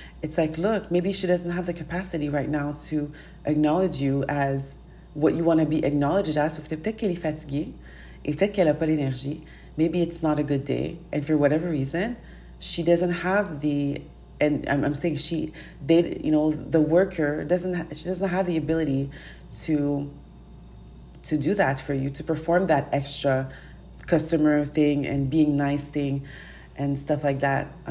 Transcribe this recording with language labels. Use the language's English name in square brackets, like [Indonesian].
[English] It's like, look, maybe she doesn't have the capacity right now to acknowledge you as what you want to be acknowledged as. [French] Parce que peut-être qu'elle est fatiguée et peut-être qu'elle a pas l'énergie. [English] Maybe it's not a good day. And for whatever reason, she doesn't have the worker doesn't have the ability to do that for you, to perform that extra customer thing and being nice thing. And stuff like that.